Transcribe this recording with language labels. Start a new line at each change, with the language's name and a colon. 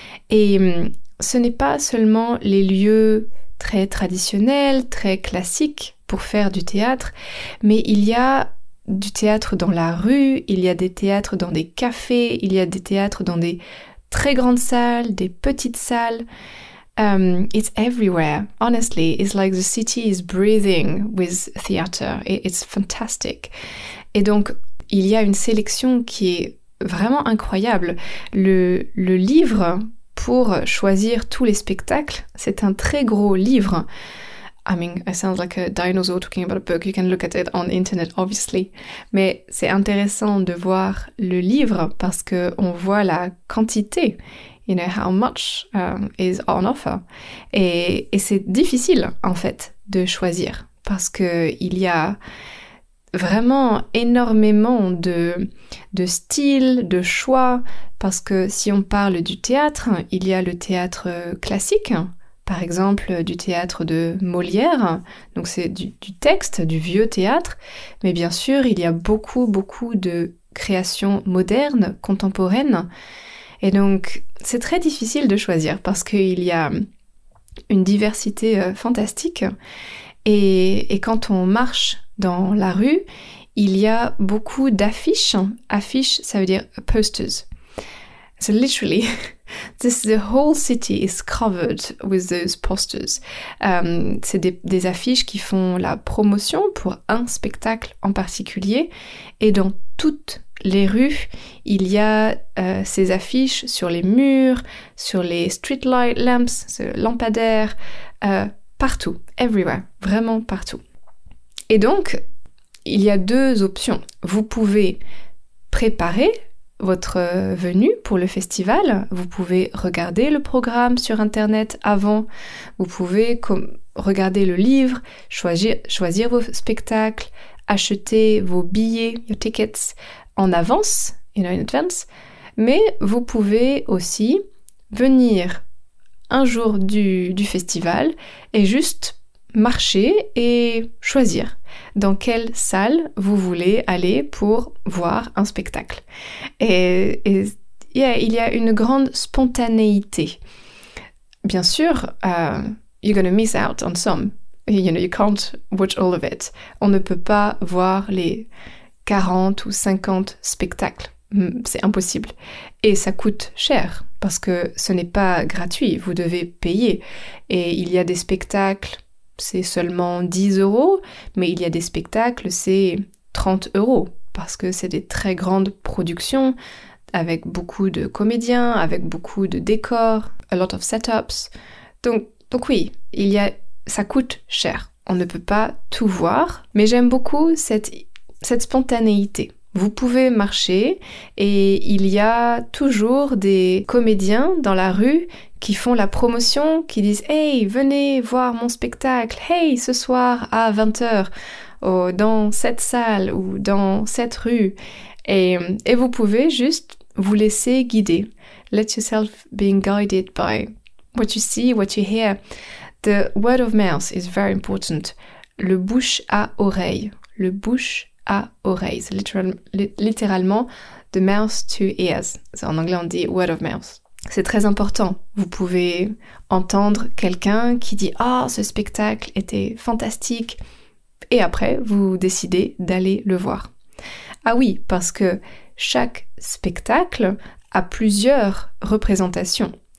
French: Et ce n'est pas seulement les lieux très traditionnels, très classiques pour faire du théâtre, mais il y a du théâtre dans la rue, il y a des théâtres dans des cafés, il y a des théâtres dans des très grandes salles, des petites salles.
English: It's everywhere. Honestly, it's like the city is breathing with theater. It's fantastic.
French: Et donc, il y a une sélection qui est vraiment incroyable. Le livre pour choisir tous les spectacles, c'est un très gros livre.
English: I mean, I sound like a dinosaur talking about a book. You can look at it on the internet, obviously.
French: Mais c'est intéressant de voir le livre parce qu'on voit la quantité,
English: you know, how much is on offer.
French: Et c'est difficile, en fait, de choisir parce qu'il y a vraiment énormément de styles, de choix. Parce que si on parle du théâtre, il y a le théâtre classique, par exemple du théâtre de Molière, donc c'est du texte, du vieux théâtre, mais bien sûr il y a beaucoup beaucoup de créations modernes, contemporaines, et donc c'est très difficile de choisir parce qu'il y a une diversité fantastique, et quand on marche dans la rue, il y a beaucoup d'affiches, affiches ça veut dire posters,
English: so literally... The whole city is covered with those posters.
French: C'est des affiches qui font la promotion pour un spectacle en particulier. Et dans toutes les rues, il y a ces affiches sur les murs, sur les
English: street light lamps,
French: ce lampadaire, partout,
English: everywhere,
French: vraiment partout. Et donc, il y a deux options. Vous pouvez préparer votre venue pour le festival, vous pouvez regarder le programme sur internet avant, vous pouvez regarder le livre, choisir vos spectacles, acheter vos billets,
English: your tickets,
French: en avance,
English: you know, in advance,
French: mais vous pouvez aussi venir un jour du festival et juste marcher et choisir dans quelle salle vous voulez aller pour voir un spectacle. Et il y a une grande spontanéité. Bien sûr,
English: you're gonna miss out on some. You know, you can't watch all of it.
French: On ne peut pas voir les 40 ou 50 spectacles. C'est impossible. Et ça coûte cher parce que ce n'est pas gratuit. Vous devez payer. Et il y a des spectacles... c'est seulement 10 euros, mais il y a des spectacles, c'est 30 euros, parce que c'est des très grandes productions, avec beaucoup de comédiens, avec beaucoup de décors,
English: a lot of setups.
French: Donc oui, ça coûte cher, on ne peut pas tout voir, mais j'aime beaucoup cette spontanéité. Vous pouvez marcher et il y a toujours des comédiens dans la rue qui font la promotion, qui disent « Hey, venez voir mon spectacle, hey, ce soir à 20h, oh, dans cette salle ou dans cette rue. » Et vous pouvez juste vous laisser guider.
English: « Let yourself being guided by what you see, what you hear. » The word of mouth is very important.
French: Le bouche à oreille. Le bouche à oreille. C'est littéralement «
English: the mouth to ears ».
French: C'est en anglais, on dit «
English: word of mouth
French: ». C'est très important. Vous pouvez entendre quelqu'un qui dit « Ah, ce spectacle était fantastique !» Et après, vous décidez d'aller le voir. Ah oui, parce que chaque spectacle a plusieurs représentations.